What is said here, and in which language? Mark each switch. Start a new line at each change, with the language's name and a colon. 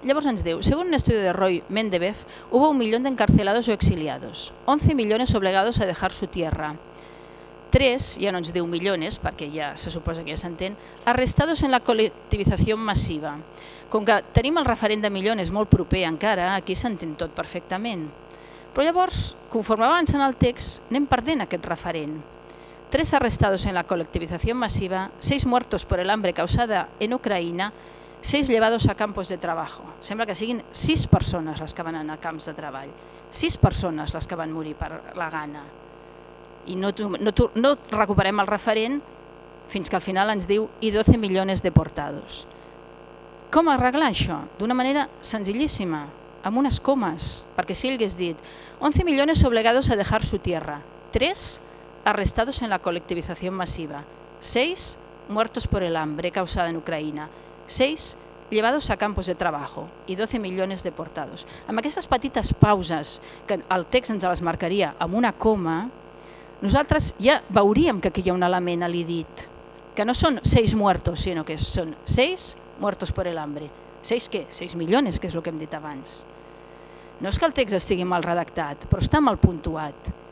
Catalan: Llavors ens diu, segons un estudi de Roy Mendebev,
Spanish: hubo 1 millón de encarcelados o exiliados, 11 millones obligados a dejar su tierra, 3,
Catalan: ja no ens diu millones, perquè ja se suposa que ja s'entén,
Spanish: arrestados en la colectivización masiva.
Catalan: Com que tenim el referent de millones molt proper encara, aquí s'entén tot perfectament. Però llavors, conforme avança en el text, anem perdent aquest referent.
Spanish: 3 arrestados en la colectivización masiva, 6 muertos por el hambre causada en Ucrania, 6 llevados a campos de trabajo.
Catalan: Sembla que siguin 6 persones les que van anar a camps de treball. 6 persones les que van morir per la gana. I no recuperem el referent fins que al final ens diu i
Spanish: 12 millones deportados.
Catalan: Com arreglar això? D'una manera senzillíssima, amb unes comes. Perquè si hagués dit
Spanish: 11 millones obligados a dejar su tierra, 3 arrestados en la colectivización masiva, 6 muertos por el hambre causada en Ucrania, 6 llevados a campos de trabajo y 12 millones deportados.
Catalan: Amb aquestes petites pauses que el text ens les marcaria amb una coma, nosaltres ja veuríem que aquí hi ha un element a l'idit, que no són 6 muertos, sinó que són
Spanish: 6 muertos por el hambre.
Catalan: 6 què? 6 millones, que és el que hem dit abans. No és que el text estigui mal redactat, però està mal puntuat.